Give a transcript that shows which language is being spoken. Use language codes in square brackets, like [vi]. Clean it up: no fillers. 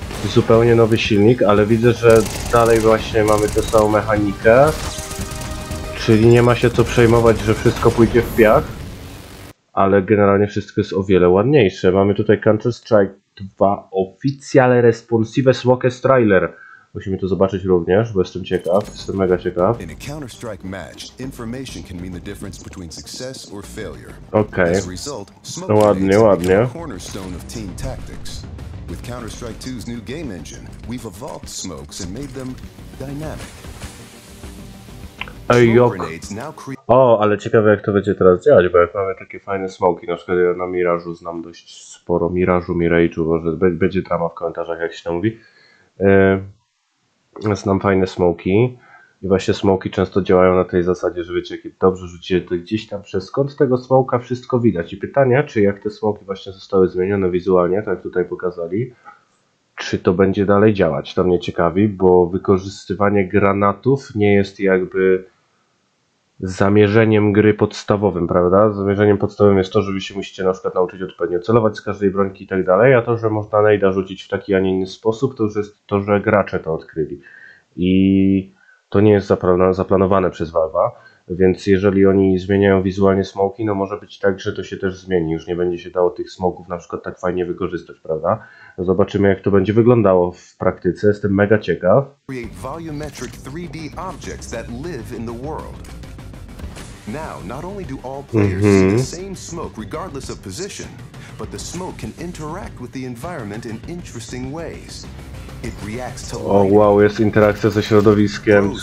[pl] Zupełnie nowy silnik, ale widzę, że dalej właśnie mamy tę samą mechanikę. Czyli nie ma się co przejmować, że wszystko pójdzie w piach. Ale generalnie wszystko jest o wiele ładniejsze. Mamy tutaj Counter-Strike 2 Oficjalne Responsive Smokes Trailer. Musimy to zobaczyć również, bo jestem ciekaw, jestem mega ciekaw. [en] In a Counter-Strike match, information can mean the difference between success or failure. Okay. As a result, smoke [pl] ładnie, ładnie. [en] Become a cornerstone of team tactics. With Counter-Strike 2's new game engine, we've evolved smokes and made them dynamic. [pl] Ej, jok. O, ale ciekawe jak to będzie teraz działać, bo jak mamy takie fajne smoki, na przykład ja na Mirażu znam dość sporo Mirażu, Mirage'u, może będzie drama w komentarzach, jak się to mówi. Znam fajne smoki i właśnie smoki często działają na tej zasadzie, że wiecie, jak dobrze rzucicie, to gdzieś tam przez kąt tego smoka wszystko widać. I pytania, czy jak te smoki właśnie zostały zmienione wizualnie, tak jak tutaj pokazali, czy to będzie dalej działać. To mnie ciekawi, bo wykorzystywanie granatów nie jest jakby zamierzeniem gry podstawowym, prawda? Zamierzeniem podstawowym jest to, że wy się musicie na przykład nauczyć odpowiednio celować z każdej brońki i tak dalej, a to, że można nejda rzucić w taki, a nie inny sposób, to już jest to, że gracze to odkryli. I to nie jest zaplanowane przez Valve'a, więc jeżeli oni zmieniają wizualnie smoki, no może być tak, że to się też zmieni. Już nie będzie się dało tych smoków na przykład tak fajnie wykorzystać, prawda? No zobaczymy, jak to będzie wyglądało w praktyce. Jestem mega ciekaw. [en] Create volumetric 3D objects that live in the world. Now, not only do all players see the same smoke regardless of position, but the smoke can interact with the environment in interesting ways. It reacts to light. [pl] O wow, jest interakcja ze środowiskiem.